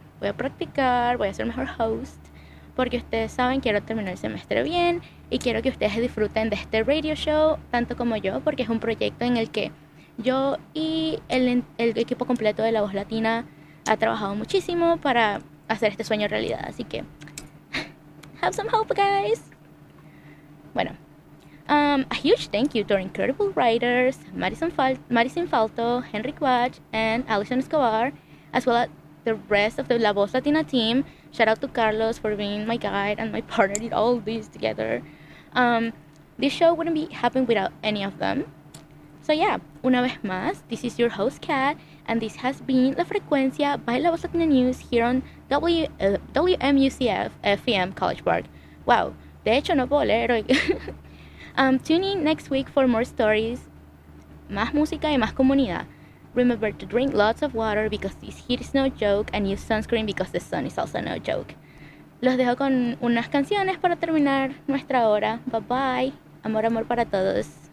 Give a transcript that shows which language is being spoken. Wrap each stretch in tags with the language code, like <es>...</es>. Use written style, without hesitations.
<es>Voy a practicar, voy a ser mejor host, porque ustedes saben, quiero terminar el semestre bien y quiero que ustedes disfruten de este radio show tanto como yo, porque es un proyecto en el que yo y el equipo completo de La Voz Latina ha trabajado muchísimo para hacer este sueño realidad. Así que,</es> <en>have some hope, guys. Bueno, a huge thank you to our incredible writers, Madison Falto, Henry Quach, and Alison Escobar, as well as the rest of the La Voz Latina team. Shout out to Carlos for being my guide and my partner in all this together. This show wouldn't be happening without any of them. So yeah,</en> <es>una vez más,</es> <en>this is your host Kat, and this has been La Frecuencia by La Voz Latina News here on WMUCF FEM College Park.</en> <es>Wow, de hecho no puedo leer hoy.</es> <en>Tune in next week for more stories,</en> <es>más música y más comunidad.</es> <en>Remember to drink lots of water because this heat is no joke, and use sunscreen because the sun is also no joke.</en> <es>Los dejo con unas canciones para terminar nuestra hora.</es> <en>Bye bye.</en> <es>Amor, amor para todos.</es>